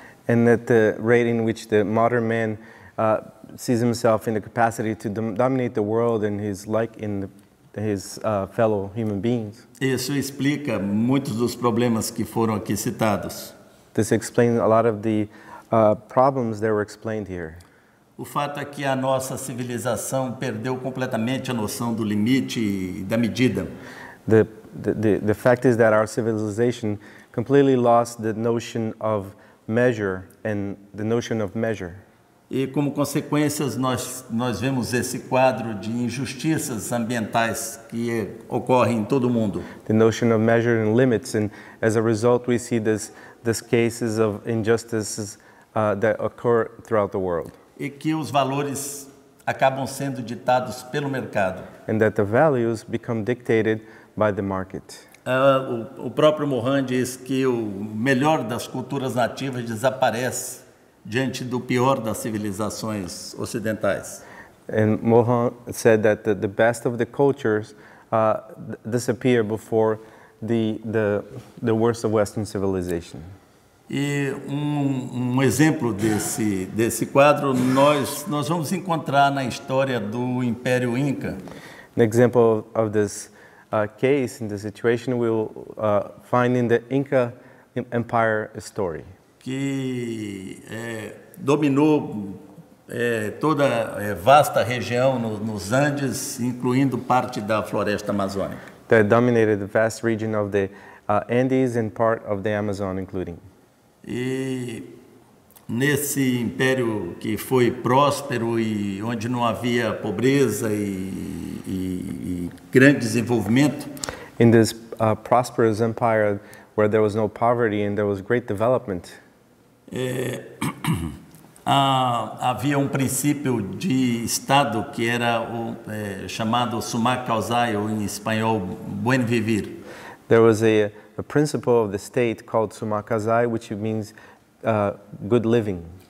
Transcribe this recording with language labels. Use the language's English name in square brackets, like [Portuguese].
[English] And at the rate in which the modern man sees himself in the capacity to dominate the world and his like in his fellow human beings. [Portuguese] Isso explica muitos dos problemas que foram aqui citados. [English] This explains a lot of the problems that were explained here. [Portuguese] O fato é que a nossa civilização perdeu completamente a noção do limite e da medida. [English] The fact is that our civilization completely lost the notion of measure and the notion of measure. [Portuguese] E como consequências nós vemos esse quadro de injustiças ambientais que ocorrem em todo o mundo. [English] The notion of measure and limits, and as a result we see this cases of injustices that occur throughout the world. [Portuguese] E que os valores acabam sendo ditados pelo mercado. [English] And that the values become dictated by the market. [Portuguese] O próprio Mohan diz que o melhor das culturas nativas desaparece diante do pior das civilizações ocidentais. [English] And Mohan said that the best of the cultures disappear before the worst of Western civilization. [Portuguese] E um exemplo desse quadro nós vamos encontrar na história do Império Inca. [English] An example of this case in the situation we'll find in the Inca Empire story. [Portuguese] Que dominou toda vasta região nos Andes, incluindo parte da floresta amazônica. [English] That dominated the vast region of the Andes and part of the Amazon, including. [Portuguese] E nesse império que foi próspero e onde não havia pobreza e grande desenvolvimento. [English] In this prosperous empire where there was no poverty and there was great development. [Portuguese] Havia um princípio de estado que era chamado suma causae, ou em espanhol, buen vivir. [English] There was a principle of the state called suma causae, which means good living.